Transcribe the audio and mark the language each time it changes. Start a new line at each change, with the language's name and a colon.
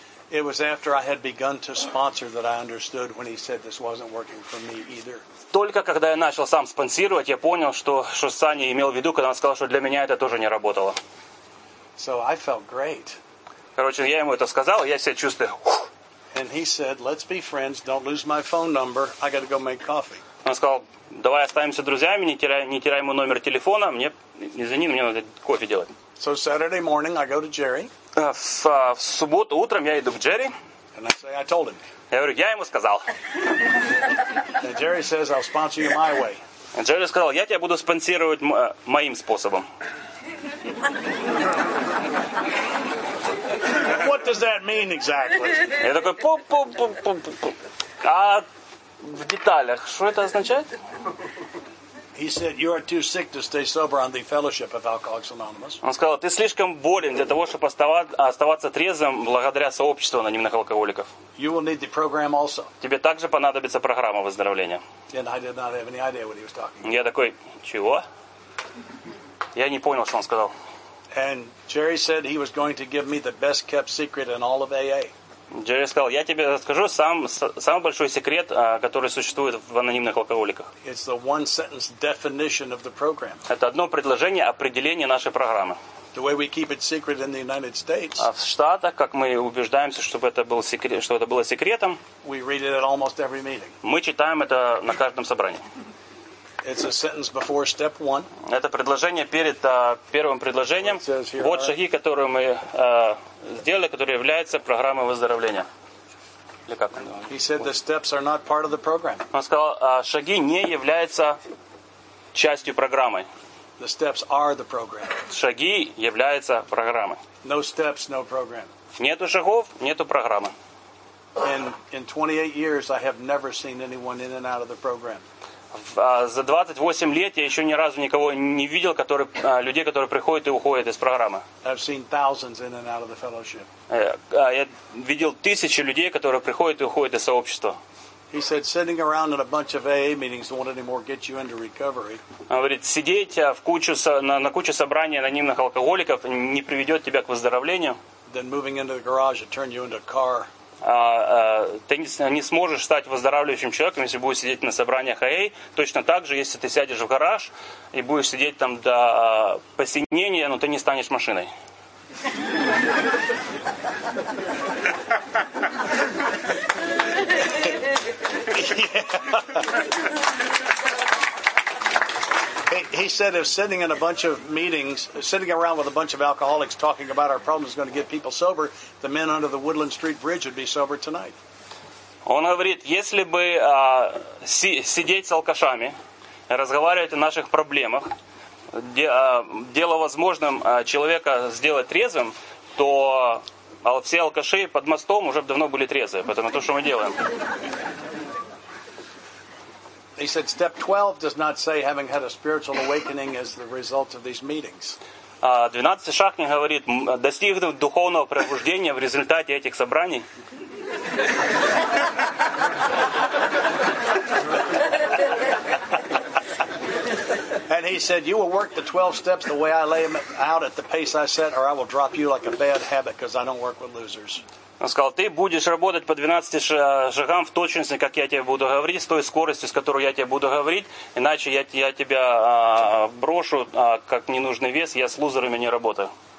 English: It was after I had begun to sponsor that I understood when he said this wasn't working for me either.
Russian: Только когда я начал сам спонсировать, я понял, что Саня имел в виду, когда он сказал, что для меня это тоже не работало.
English: So I felt great.
Russian: Короче, я ему это сказал, я себя чувствую.
English: And he said, "Let's be friends. Don't lose my phone number. I got to go make coffee."
Russian: Он сказал: "Давай останемся друзьями, не теряй мой номер телефона. Мне извини, мне надо кофе делать."
English: So Saturday morning, I go to Jerry.
Russian: В субботу утром я иду к Джерри.
English: And I say, "I told him."
Russian: Я говорю: "Я ему сказал."
English: And Jerry says, "I'll sponsor you my way."
Russian: И Джерри сказал: "Я тебя буду спонсировать моим способом."
English: What does that mean exactly?
Russian: Я такой: пу-пу-пу-пу-пу-пу. А в деталях, что это означает?
English: He said, you are too sick to stay sober on the fellowship of Alcoholics Anonymous.
Russian: Он сказал: ты слишком болен для того, чтобы оставаться трезвым благодаря сообществу анонимных алкоголиков.
English: You will need the program also.
Russian: Тебе также понадобится программа выздоровления.
English: And I did not have any idea what he was talking
Russian: about. Я такой: чего? Я не понял, что он сказал.
English: And Jerry said he was going to give me the best kept secret in all of AA.
Russian: Джерри сказал: я тебе расскажу самый большой секрет, который существует в анонимных алкоголиках.
English: It's the one sentence definition of the program.
Russian: Это одно предложение определения нашей программы.
English: The way we keep it secret in the United States.
Russian: А в Штатах, как мы убеждаемся, чтобы это был секрет, что это было секретом.
English: We read it at almost every meeting.
Russian: Мы читаем это на каждом собрании.
English: It's a sentence before step one.
Russian: Это предложение перед первым предложением. Вот шаги, которые мы сделали, которые являются программой выздоровления. Или как?
English: He said the steps are not part of the program.
Russian: Он сказал, шаги не являются частью программы.
English: The steps are the program.
Russian: Шаги являются программой.
English: No steps, no program.
Russian: Нету шагов, нету программы.
English: In 28 years, I have never seen anyone in and out of the program.
Russian: За 28 лет я еще ни разу никого не видел, людей, которые приходят и уходят из программы.
English: I've seen thousands in and out of the fellowship.
Russian: Я видел тысячи людей, которые приходят и уходят из сообщества.
English: He said, sitting around in a bunch of AA meetings won't anymore get you into recovery.
Russian: Он говорит, сидеть на кучу собраний анонимных алкоголиков не приведет тебя к выздоровлению.
English: Then moving into the garage will turn you into a car.
Russian: ты не сможешь стать выздоравливающим человеком, если будешь сидеть на собраниях АА. Точно так же, если ты сядешь в гараж и будешь сидеть там до посинения, но ты не станешь машиной.
English: He said if sitting in a bunch of meetings, sitting around with a bunch of alcoholics talking about our problems is going to get people sober, the men under the Woodland Street Bridge would be sober tonight.
Russian: Он говорит, если бы сидеть с алкашами, разговаривать о наших проблемах, дело возможным человека сделать трезвым, то все алкаши под мостом уже давно были трезвы, поэтому то, что мы делаем.
English: He said step 12 does not say having had a spiritual awakening is the result of these meetings.
Russian: 12 шаг не говорит, достигнув духовного пробуждения в результате этих собраний.
English: And he said you will work the 12 steps the way I lay them out at the pace I set or I will drop you like a bad habit because I don't work with losers.
Russian: Он сказал, ты будешь работать по 12 шагам в точности, как я тебе буду говорить, с той скоростью, с которой я тебе буду говорить, иначе я тебя брошу, как ненужный вес, я с лузерами не работаю.